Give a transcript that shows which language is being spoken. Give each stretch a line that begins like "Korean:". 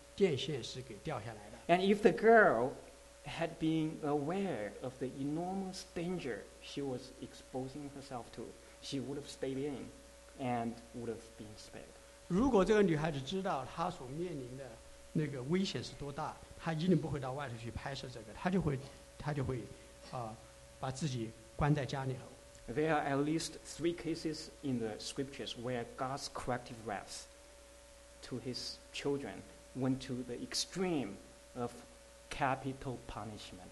English: And if the girl had been aware of the enormous danger she was exposing herself to, she would have stayed in and would have been spared.
Chinese: 如果这个女孩子知道她所面临的那个危险是多大，她一定不会到外头去拍摄这个，她就会把自己关在家里头。
English: There are at least three cases in the scriptures where God's corrective wrath to His children went to the extreme of capital punishment.